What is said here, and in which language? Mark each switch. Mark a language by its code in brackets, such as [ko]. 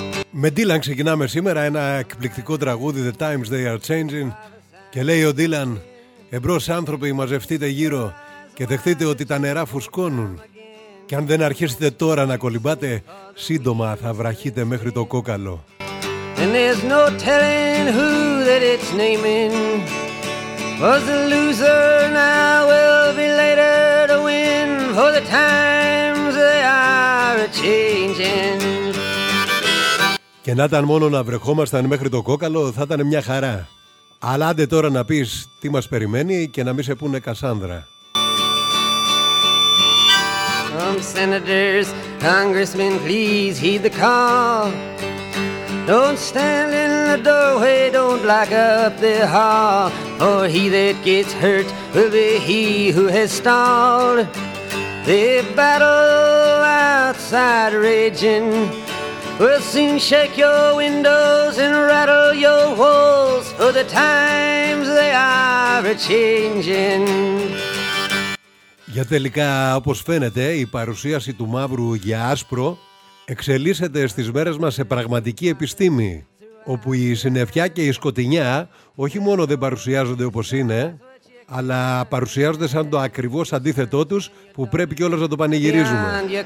[el] Με Dylan ξεκινάμε σήμερα ένα εκπληκτικό τραγούδι, The Times They Are Changing. Και λέει ο Dylan, εμπρός άνθρωποι μαζευτείτε γύρω και δεχτείτε ότι τα νερά φουσκώνουν. Και αν δεν αρχίσετε τώρα να κολυμπάτε, σύντομα θα βραχείτε μέχρι το κόκαλο. [en] And there's no telling who that it's naming. Was the loser now will be later to win. For the times they are a-changing. [el] Και να ήταν μόνο να βρεχόμασταν μέχρι το κόκαλο, θα ήταν μια χαρά. Αλλά άντε τώρα να πεις τι μας περιμένει και να μην σε πούνε Κασάνδρα. [en] Come senators, congressmen, please heed the call. Don't stand in the doorway, don't block up the hall. For he that gets hurt will be he who has stalled. The battle outside raging will soon shake your windows and rattle your walls. For the times they are a-changing. [el] Για τελικά, όπως φαίνεται, η παρουσίαση του μαύρου για άσπρο εξελίσσεται στις μέρες μας σε πραγματική επιστήμη, όπου η συννεφιά και η σκοτεινιά όχι μόνο δεν παρουσιάζονται όπως είναι, αλλά παρουσιάζονται σαν το ακριβώς αντίθετό τους, που πρέπει κιόλας να το πανηγυρίζουμε.